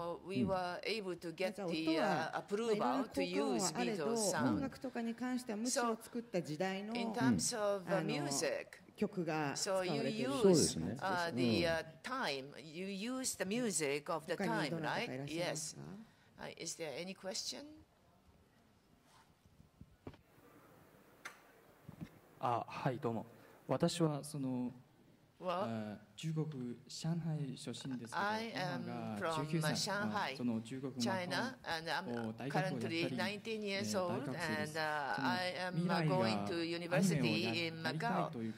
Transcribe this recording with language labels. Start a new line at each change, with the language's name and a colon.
English: We were able to get the approval to use Beatles sound.
Japanese: 音楽とかに関してはむしろ作った時代の、
English: in terms of music.
Japanese: 曲が使われている。 そうですね。
English: The time you use the music of the time, right? Yes. Is there any question?
Japanese: あ、はい、どうも。私はその、中国上海出身ですけど、
English: I am from
Japanese: 19歳、
English: Shanghai,
Japanese: その中国
English: China, and I'm currently 19 years old, and I am going to university in Macau.